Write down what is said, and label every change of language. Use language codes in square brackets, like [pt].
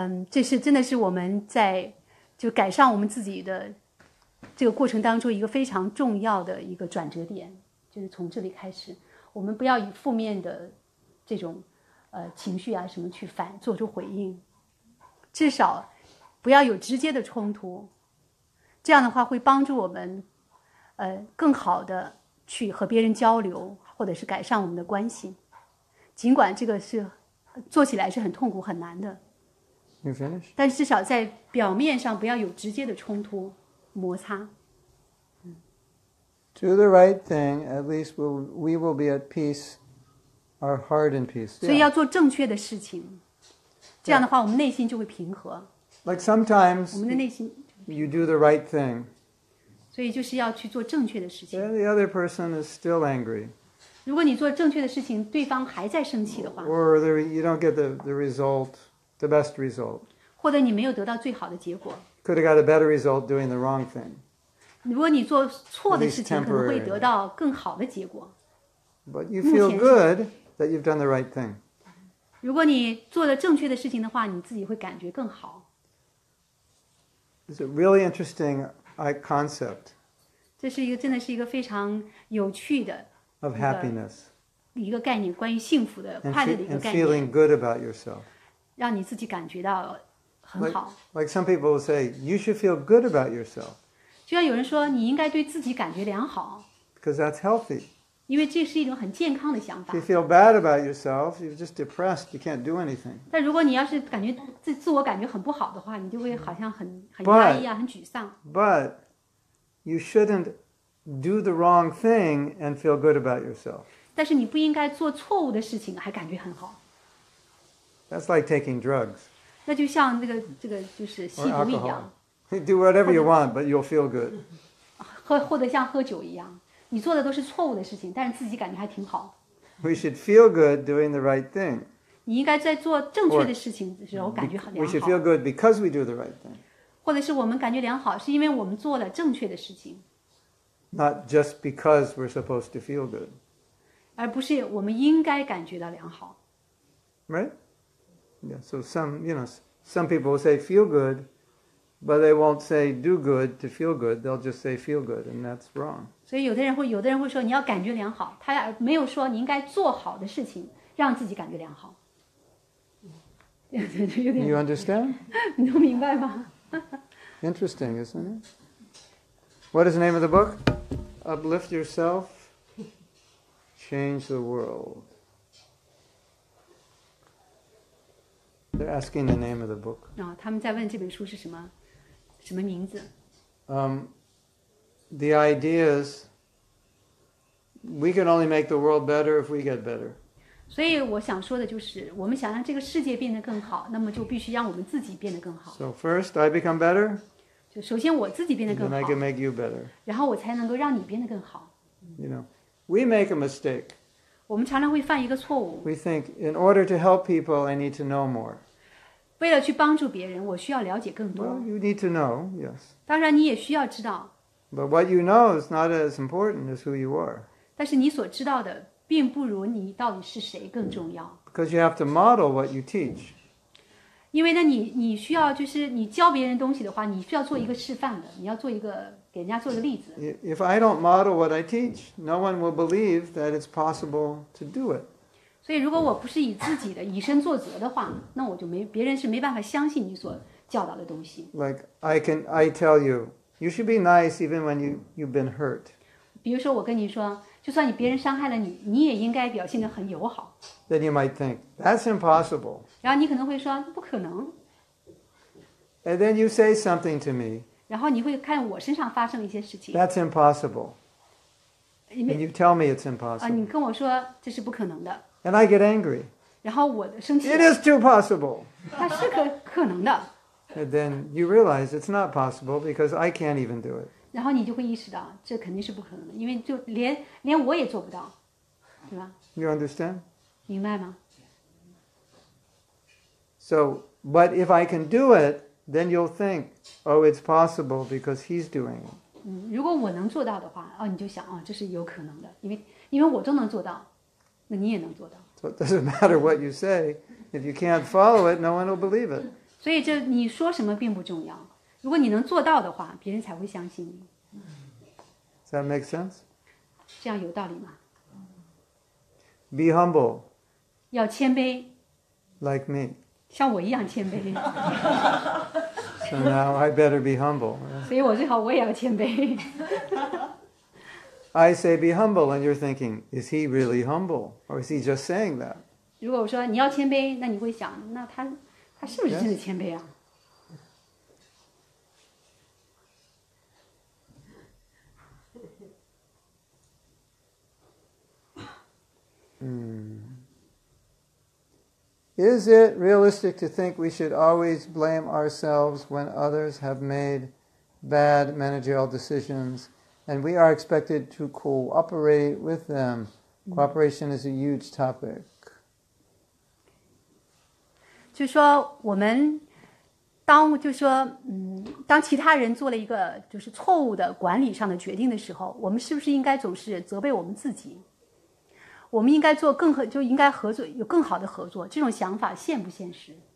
[zh] 这是真的是我们在就改善我们自己的这个过程当中一个非常重要的一个转折点就是从这里开始我们不要以负面的这种情绪啊什么去反做出回应至少不要有直接的冲突这样的话会帮助我们更好的去和别人交流或者是改善我们的关系。尽管这个是做起来是很痛苦很难的。 [en] You finish? [zh] 但至少在表面上不要有直接的冲突摩擦。 [en] Do the right thing, at least we will be at peace, our heart in peace.、Yeah. [zh] 所以要做正确的事情。这样的话我们内心就会平和。 [en] Like sometimes, [zh] 我们的内心 [en] You do the right thing. [zh] 所以就是要去做正确的事情。 [en] And the other person is still angry. [zh] 如果你做正确的事情，对方还在生气的话。 [en] Or you don't get the result, the best result. [zh] 或者你没有得到最好的结果。 [en] Could have got a better result doing the wrong thing. [zh] 如果你做错的事情，可能会得到更好的结果。 [en] But you feel good that you've done the right thing. [zh] 如果你做了正确的事情的话，你自己会感觉更好。 [en] It's a really interesting concept. [zh] 这是一个真的是一个非常有趣的 [en] of happiness. [zh] 一个概念，关于幸福的快乐的一个概念。 [en] And feeling good about yourself. [zh] 让你自己感觉到很好。 [en] Like some people will say, you should feel good about yourself. [zh] 就像有人说，你应该对自己感觉良好。 [en] Because that's healthy. [zh] 因为这是一种很健康的想法。 [en] If you feel bad about yourself, you're just depressed. You can't do anything. [zh] 但如果你要是感觉自我感觉很不好的话，你就会好像很压抑啊，很沮丧。 [en] But you shouldn't do the wrong thing and feel good about yourself. [zh] 但是你不应该做错误的事情还感觉很好。 [en] That's like taking drugs. [zh] 那就像这个就是吸毒一样。 [en] You do whatever you want, but you'll feel good. [zh] 或者像喝酒一样。你做的都是错误的事情，但是自己感觉还挺好。 [en] We should feel good doing the right thing. [zh] 你应该在做正确的事情的时候感觉很良好。 [en] We should feel good because we do the right thing. [zh] 或者是我们感觉良好，是因为我们做了正确的事情。 [en] Not just because we're supposed to feel good. [zh] 而不是我们应该感觉到良好。 [en] Right? Yeah. So some people will say feel good, but they won't say do good to feel good. They'll just say feel good, and that's wrong. [zh] 所以有的人会说你要感觉良好，他没有说你应该做好的事情让自己感觉良好。 [en] You understand? [zh] 你都明白吗 [en] ？Interesting, isn't it? What is the name of the book? Uplift yourself, change the world. They're asking the name of the book. [zh] 啊、哦，他们在问这本书是什么名字 [en] The ideas. We can only make the world better if we get better. [zh] 所以我想说的就是，我们想让这个世界变得更好，那么就必须让我们自己变得更好。 [en] So first, I become better. [zh] 就首先我自己变得更好。 [en] Then I can make you better. [zh] 然后我才能够让你变得更好。 [en] You know, we make a mistake. [zh] 我们常常会犯一个错误。 [en] We think, in order to help people, I need to know more. [zh] 为了去帮助别人，我需要了解更多。 [en] Well, you need to know, yes. [zh] 当然你也需要知道。 [en] But what you know is not as important as who you are. [zh] 但是你所知道的并不如你到底是谁更重要。 [en] Because you have to model what you teach. [zh] 因为呢你需要就是你教别人东西的话你需要做一个示范的你要做一个给人家做一个例子。 [en] If I don't model what I teach, no one will believe that it's possible to do it. [zh] 所以如果我不是以自己的以身作则的话那我就没别人是没办法相信你所教导的东西。 [en] Like I tell you, you should be nice even when you've been hurt. [zh] 比如说我跟你说就算你别人伤害了你你也应该表现得很友好。 [en] Then you might think, that's impossible. [zh] 然后你可能会说不可能。 [en] And then you say something to me. [zh] 然后你会看我身上发生了一些事情。 [en] That's impossible. And you tell me it's impossible. [zh] 你跟我说这是不可能的。 [en] And I get angry. [zh] 然后我的生气。 [en] It is too possible. [zh] 它是可能的。 [en] And then you realize it's not possible because I can't even do it. [zh] 然后你就会意识到，这肯定是不可能的，因为就连我也做不到，对吧 [en] ？You understand? [zh] 明白吗 [en] ？So, but if I can do it, then you'll think, oh, it's possible because he's doing it. [zh] 嗯，如果我能做到的话，哦，你就想，哦，这是有可能的，因为我都能做到，那你也能做到。 [en] So it doesn't matter what you say. If you can't follow it, no one will believe it. [zh] 所以这你说什么并不重要。如果你能做到的话，别人才会相信你。 [en] Does that make sense? [zh] 这样有道理吗 [en] ？Be humble. [zh] 要谦卑。 [en] Like me. [zh] 像我一样谦卑。 [en] So now I better be humble. [zh] 所以我最好我也要谦卑。 [en] I say be humble, and you're thinking, is he really humble, or is he just saying that? [zh] 如果我说你要谦卑，那你会想，那他是不是真的谦卑啊？ [en] Yes. Is it realistic to think we should always blame ourselves when others have made bad managerial decisions, and we are expected to cooperate with them. Cooperation is a huge topic. [zh] 就说我们当就说当其他人做了一个就是错误的管理上的决定的时候，我们是不是应该总是责备我们自己？我们应该做更合，就应该合作，有更好的合作，这种想法现不现实？